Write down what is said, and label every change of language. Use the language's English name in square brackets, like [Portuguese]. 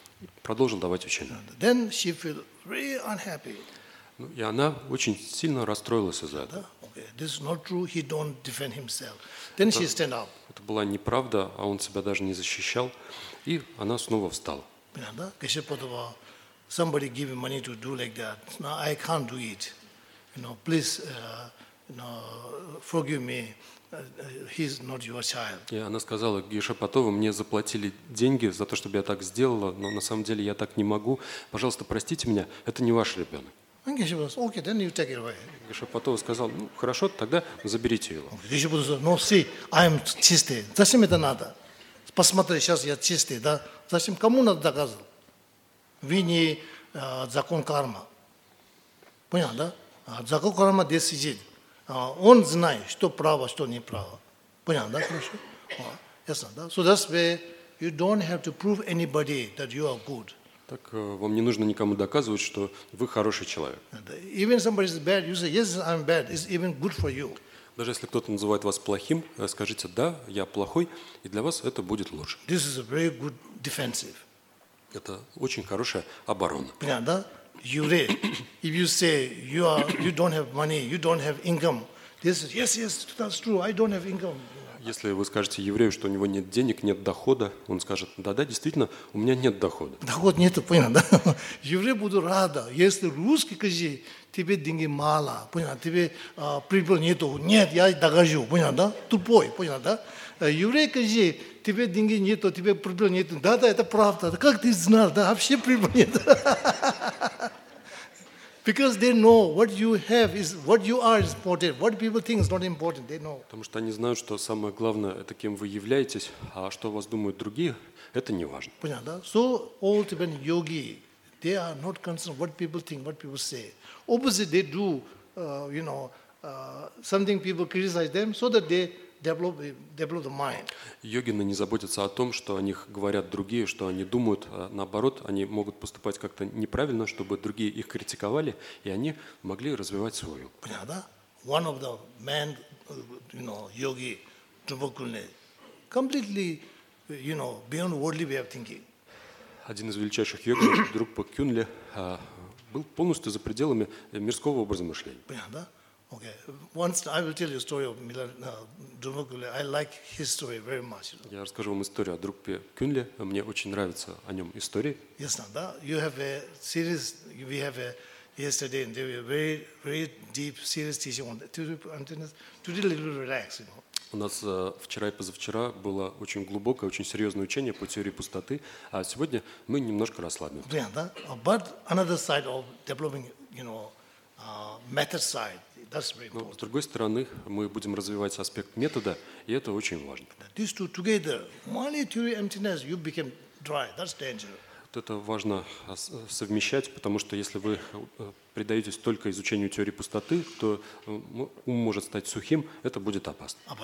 [Russian] И продолжил давать учение. [English] Then she feel really unhappy. [Russian] Ну, и она очень сильно расстроилась из-за этого. [English] This is not true. He don't defend himself. Then she stand up. [Russian] Это была неправда, а он себя даже не защищал, и она снова встала. Понятно? [English] Geshe Potawa, somebody give me money to do like that. Now I can't do it. You know, please, you know, forgive me. He's not your child. [Russian] И она сказала: Геше Потова, мне заплатили деньги за то, чтобы я так сделала, но на самом деле я так не могу. Пожалуйста, простите меня. Это не ваш ребенок. [English] And Geshe Potawa said, okay, then you take it away. [Russian] Geshe Potawa сказал, ну, хорошо, тогда заберите его. [English] Geshe Potawa said, no, see, I am [Russian] чистый. Зачем это надо? Посмотри, сейчас я чистый, да? Зачем? Кому надо доказывать? Вы не закон кармы. Понятно, да? Закон кармы decision. Он знает, что право, что не право. Понятно, да? Хорошо? Ясно, да? [English] So that's where you don't have to prove anybody that you are good. [Russian] Так вам не нужно никому доказывать, что вы хороший человек. [English] Even somebody is bad, you say, yes, I'm bad. It's even good for you. [Russian] Даже если кто-то называет вас плохим, скажите, да, я плохой, и для вас это будет лучше. [English] This is a very good defensive. [Russian] Это очень хорошая оборона. Понятно, да? Еврей. [English] If you say you are, you don't have money, you don't have income, this is, yes, yes, that's true, I don't have income. [Russian] Если вы скажете еврею, что у него нет денег, нет дохода, он скажет, да-да, действительно, у меня нет дохода. Доход нету, понял, да? Евреи будут рады. Если русский, скажи, тебе деньги мало, понял, тебе прибыль нету. Нет, я докажу, понял, да? Тупой, понял, да? Еврей, скажи, тебе деньги нету, тебе прибыль нету. Да-да, это правда. Как ты знал, да, вообще прибыль нету? [English] Because they know what you have is what you are is important. What people think is not important. They know. [Russian] Потому что они знают, что самое главное это кем вы являетесь, а что вас думают другие, это не важно. Понятно? [English] So all Tibetan yogi, they are not concerned what people think, what people say. Opposite, they do, you know, something people criticize them so that they develop the mind. [Russian] Йогины не заботятся о том, что о них говорят другие, что они думают. Наоборот, они могут поступать как-то неправильно, чтобы другие их критиковали, и они могли развивать свою. Понятно? [English] One of the men, you know, yogi, Drupakulne, completely, you know, beyond worldly way of thinking. [Russian] Один из величайших йогов, Друкпа-Кюнле, был полностью за пределами мирского образа мышления. [English] Понятно? Okay. Once I will tell you a story of Drupakulne. I like his story very much. You know? [Russian] Я расскажу вам историю о Друкпе-Кюнле. Мне очень нравится о нем истории. [English] Yes, no, you have a series, we have a yesterday, and there were very, very deep, serious teaching on that. Today, a little relaxed, you know. [Russian] У нас вчера и позавчера было очень глубокое, очень серьезное учение по теории пустоты, а сегодня мы немножко расслабим. Yeah, да? [English] But another side of developing, you know, method side, that's very important. [Russian] Но, с другой стороны, мы будем развивать аспект метода, и это очень важно. [English] These two together, money, theory, emptiness, you become dry, that's dangerous. [Russian] Это важно совмещать, потому что если вы предаетесь только изучению теории пустоты, то ум может стать сухим, это будет опасно.